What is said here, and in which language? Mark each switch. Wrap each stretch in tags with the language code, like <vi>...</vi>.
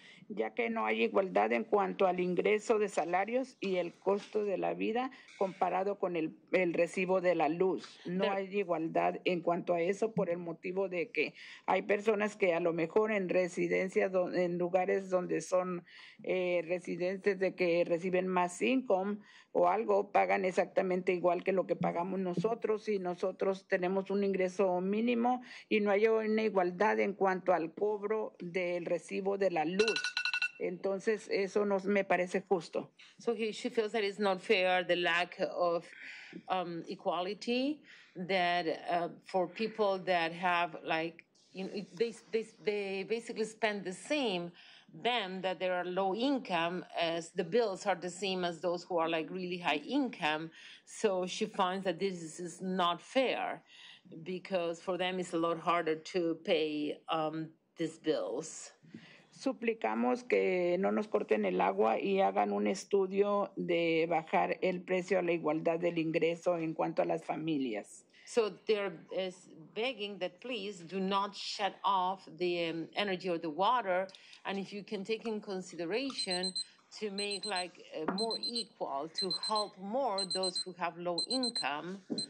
<es>Ya que no hay igualdad en cuanto al ingreso de salarios y el costo de la vida comparado con el recibo de la luz. No hay igualdad en cuanto a eso por el motivo de que hay personas que a lo mejor en residencias, en lugares donde son residentes de que reciben más income o algo, pagan exactamente igual que lo que pagamos nosotros y nosotros tenemos un ingreso mínimo y no hay una igualdad en cuanto al cobro del recibo de la luz. Entonces, eso no me parece justo.</es> <en>So she feels that it's not fair, the lack of equality, that for people that have, like, you know, they basically spend the same than that they are low income, as the bills are the same as those who are, like, really high income. So she finds that this is not fair because for them it's a lot harder to pay these bills.</en> <es>Suplicamos que no nos corten el agua y hagan un estudio de bajar el precio a la igualdad del ingreso en cuanto a las familias.</es> <en>So they're begging that please do not shut off the energy or the water, and if you can take in consideration to make like more equal, to help more those who have low income.</en>